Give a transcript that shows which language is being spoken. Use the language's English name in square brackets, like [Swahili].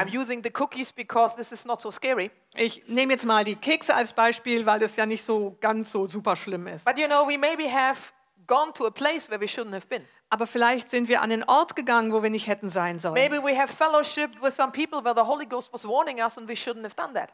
[English] I'm using the cookies because this is not so scary. [German] Ich nehme jetzt mal die Kekse als Beispiel, weil das ja nicht so ganz so super schlimm ist. [English] But you know, we maybe have gone to a place where we shouldn't have been. [German] Aber vielleicht sind wir an einen Ort gegangen, wo wir nicht hätten sein sollen. [English] Maybe we have fellowshiped with some people where the Holy Ghost was warning us and we shouldn't have done that.